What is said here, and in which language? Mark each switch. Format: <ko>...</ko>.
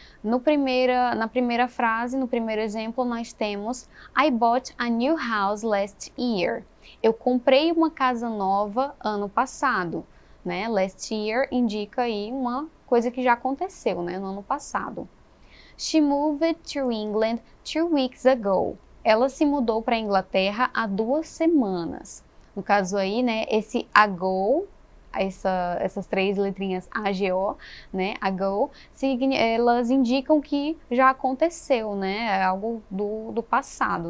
<pt>Na primeira frase, no primeiro exemplo, nós temos</pt> <en>I bought a new house last year.</en> <pt>Eu comprei uma casa nova ano passado, né?</pt> <en>Last year</en> <pt>indica aí uma coisa que já aconteceu, né, no ano passado.</pt> <en>She moved to England 2 weeks ago.</en> <pt>Ela se mudou para a Inglaterra há 2 semanas. No caso aí, né, esse ago, essas três letrinhas AGO, né, ago, elas indicam que já aconteceu, né, algo do passado.</pt>